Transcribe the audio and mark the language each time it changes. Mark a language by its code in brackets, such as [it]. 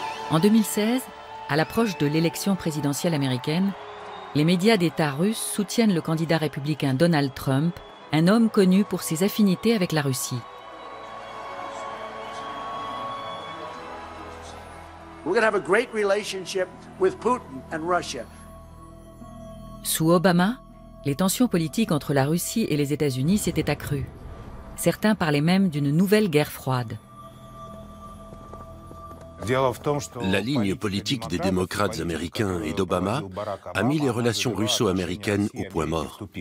[fr] En 2016, à l'approche de l'élection présidentielle américaine, les médias d'État russes soutiennent le candidat républicain Donald Trump, un homme connu pour ses affinités avec la Russie. [en] We're going to have a great relationship with Putin and Russia. [fr] Sous Obama, les tensions politiques entre la Russie et les États-Unis s'étaient accrues. Certains parlaient même d'une nouvelle guerre froide. La ligne politique des démocrates américains et d'Obama a mis les relations russo-américaines au point mort.